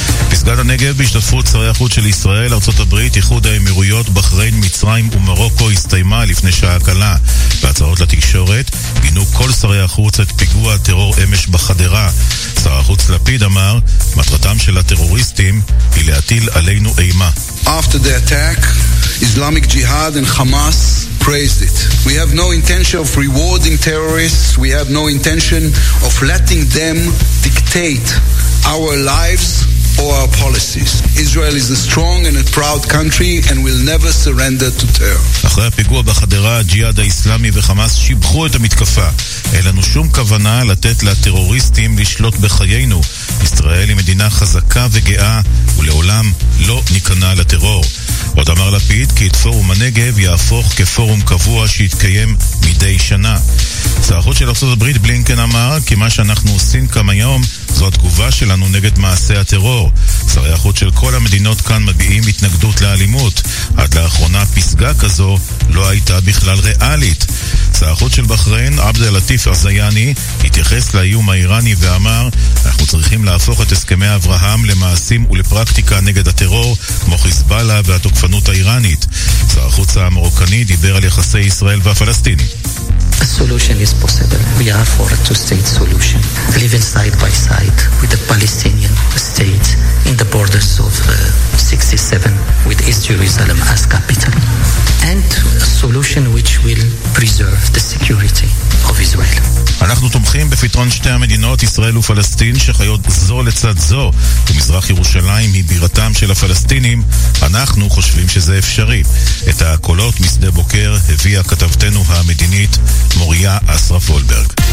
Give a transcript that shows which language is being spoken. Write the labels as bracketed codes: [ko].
[he] פסגת הנגב בהשתתפות שרי החוץ של ישראל, ארצות הברית, איחוד האמירויות, בחריין, מצרים ומרוקו הסתיימה לפני שעה קלה. בהצעות לתקשורת, גינו כל שרי החוץ את פיגוע הטרור אמש בחדרה. שר החוץ לפיד אמר, מטרתם של הטרוריסטים היא להטיל עלינו אימה. [en] After the attack, Islamic Jihad and Hamas praised it. We have no intention of rewarding terrorists. We have no intention of letting them dictate our lives or our policies. Israel is a strong and a proud country and will never surrender to terror. [he] אחרי הפיגוע בחדרה, הג'יהאד האיסלאמי וחמאס שיבחו את המתקפה. אין לנו שום כוונה לתת לטרוריסטים לשלוט בחיינו. ישראל היא מדינה חזקה וגאה ולעולם לא ניכנע לטרור. עוד אמר לפיד כי את פורום הנגב יהפוך כפורום קבוע שיתקיים מדי שנה. שר החוץ של ארצות הברית בלינקן אמר כי מה שאנחנו עושים כאן היום זו התגובה שלנו נגד מעשי הטרור. שרי החוץ של כל המדינות כאן מביעים התנגדות לאלימות. עד לאחרונה פסגה כזו לא הייתה בכלל ריאלית. שר החוץ של בחריין, עבדל לטיף עזייני, התייחס לאיום האיראני ואמר אנחנו צריכים להפוך את הסכמי אברהם למעשים ולפרקטיקה נגד הטרור כמו חיזבאללה והתוקפנות האיראנית. שר החוץ המרוקני דיבר על יחסי ישראל והפלסטינים. [en] A solution is possible. We are for a two-state solution, living side by side with the Palestinian state in the borders of 67 with Israel. Jerusalem as capital and a solution which will preserve the security of Israel. [he] אנחנו תומכים בפתרון שתי המדינות, ישראל ופלסטין, שחיות זו לצד זו, ומזרח ירושלים היא בירתם של הפלסטינים. אנחנו חושבים שזה אפשרי. את הקולות משדה בוקר הביאה כתבתנו המדינית, מוריה אסרף וולברג.